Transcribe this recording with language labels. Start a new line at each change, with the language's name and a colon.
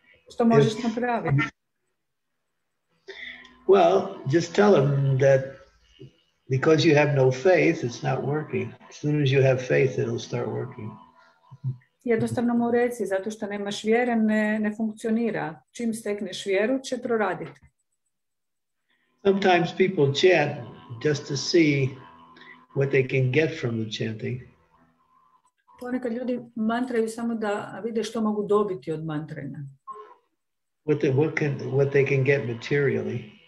Croatian: Što možeš napraviti?
English: Well, just tell him that because you have no faith, it's not working. As soon as you have faith, it'll start working.
Croatian: Jednostavno mu reci, zato što nemaš vjere, ne funkcionira. Čim stekneš vjeru, će proraditi.
English: Sometimes people chant just to see what they can get from the chanting.
Croatian: Ponekad ljudi mantraju samo da vide što mogu dobiti od mantranja.
English: What they can get materially.